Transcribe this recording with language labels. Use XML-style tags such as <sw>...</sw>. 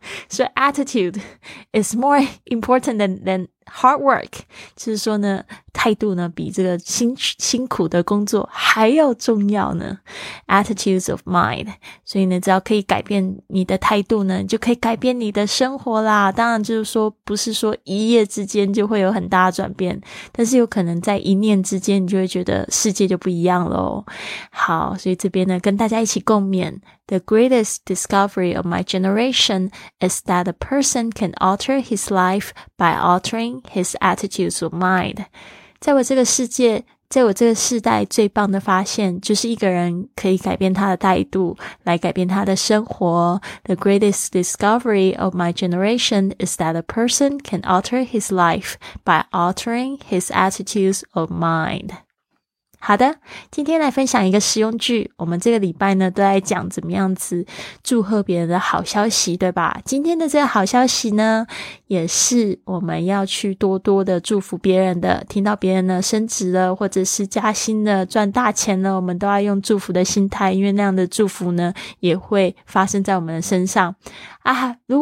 <en>So attitude is more important than hard work.</en> <zh>就是说呢，态度呢比这个辛苦的工作还要重要呢。</zh> <en>Attitudes of mind.</en> <zh>所以呢，只要可以改变你的态度呢，就可以改变你的生活啦。当然就是说，不是说一夜之间就会有很大的转变，但是有可能在一念之间，你就会觉得世界就不一样咯。好，所以这边呢，跟大家一起共勉。</zh> <en>The greatest discovery of my generation is that a person can alter his life by altering his attitudes of mind.</en> <zh>在我这个世界，在我这个世代最棒的发现，就是一个人可以改变他的态度，来改变他的生活。</zh> <en>The greatest discovery of my generation is that a person can alter his life by altering his attitudes of mind.</en> <zh>好的，今天来分享一个实用句。我们这个礼拜呢都在讲怎么样子祝贺别人的好消息，对吧？今天的这个好消息呢也是我们要去多多的祝福别人的，听到别人呢升职了或者是加薪了赚大钱了，我们都要用祝福的心态，因为那样的祝福呢也会发生在我们的身上啊。</zh>